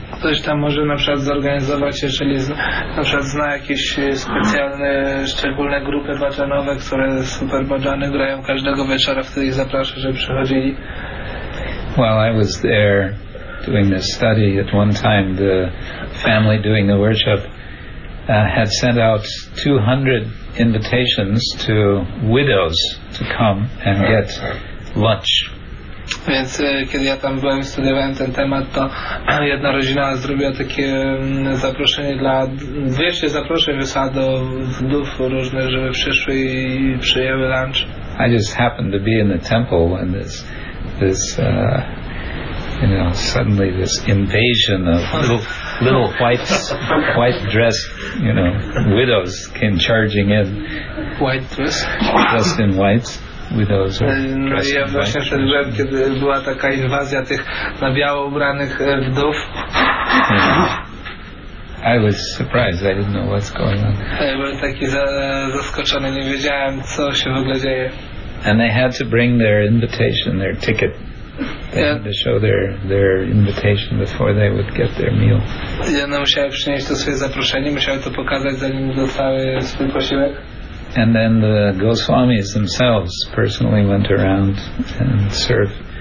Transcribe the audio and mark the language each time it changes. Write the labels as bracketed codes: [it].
[pl] Ktoś tam może na przykład zorganizować, jeżeli na przykład zna jakieś specjalne, szczególne grupy bhajanowe, które super bhajany grają każdego wieczora, wtedy ich zaprasza, żeby przychodzili. [en] While I was there doing this study, at one time the family doing the worship had sent out 200 invitations to widows to come and get lunch. [pl] Więc kiedy ja tam byłem, studiowałem ten temat, to jedna rodzina zrobiła takie zaproszenie dla 200 zaproszeń wysłała do wdów różnych, żeby przyszły i przyjęły lunch. [en] I just happened to be in the temple when this invasion of little white dressed, widows came charging in. White dress? Dressed in whites. Widows are dressed. [pl] No i ja właśnie przeżyłem, kiedy była taka inwazja tych na biało ubranych wdów. [en] I was surprised, I didn't know what's going on. [pl] Ja byłem taki zaskoczony, nie wiedziałem, co się w ogóle dzieje. [en] And they had to bring their invitation, their ticket. They had to show their invitation before they would get their meal. [pl] Ja no musiałem przynieść to swoje zaproszenie, musiałem to pokazać, zanim dostały swój posiłek. [en] And then the Goswamis themselves personally went around and served.